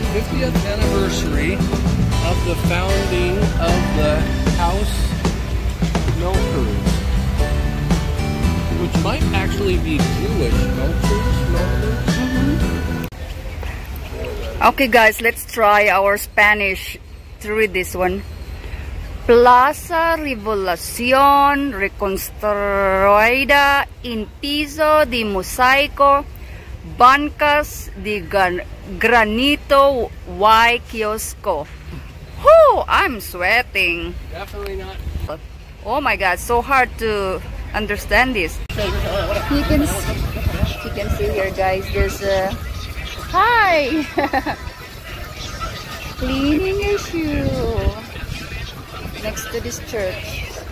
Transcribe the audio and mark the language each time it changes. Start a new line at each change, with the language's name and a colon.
English: 50th anniversary of the founding of the House Melchors, which might actually be Jewish Melchors. Mm-hmm. Okay, guys, let's try our Spanish to read this one.
Spanish: Plaza Revolución reconstruida en piso de mosaico, bancas de granito y kiosco.
English: Whew, I'm sweating. Definitely not. Oh my god, so hard to understand this. You can see here, guys, there's a... Hi! Cleaning issue. Next to this church.